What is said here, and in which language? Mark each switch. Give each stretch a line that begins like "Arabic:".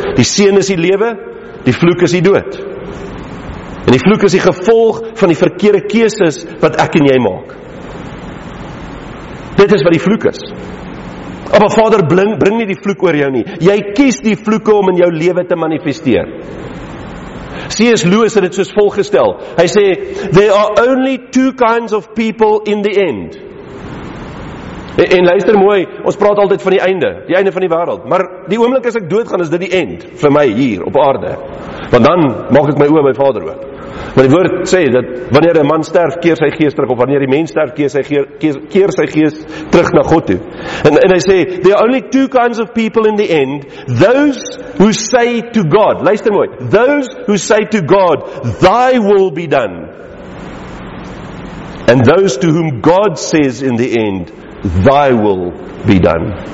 Afrikaans: Die seën is die lewe, die vloek is die dood. En die vloek is die gevolg van die verkeerde keuses wat ek en jy maak. Dit is wat die vloek is. Abba Vader bring nie die vloek oor jou nie. Jy kies die vloeke om in jou lewe te manifesteer. C.S. Lewis het dit soos volg gestel. Hy sê,
English: there are only two kinds of people in the end.
Afrikaans: En luister mooi, ons praat altyd van die einde van die wêreld. Maar die oomblik as ek doodgaan, is dit die end vir my hier op aarde. Want dan maak ek my oë by Vader oop. Maar die woord sê dat wanneer 'n man sterf, keer sy gees terug, of wanneer die mens sterf, keer sy gees terug na God toe. En hy sê,
English: there are only two kinds of people in the end, those who say to God,
Afrikaans: luister mooi,
English: those who say to God, thy will be done, and those to whom God says in the end, thy will be done.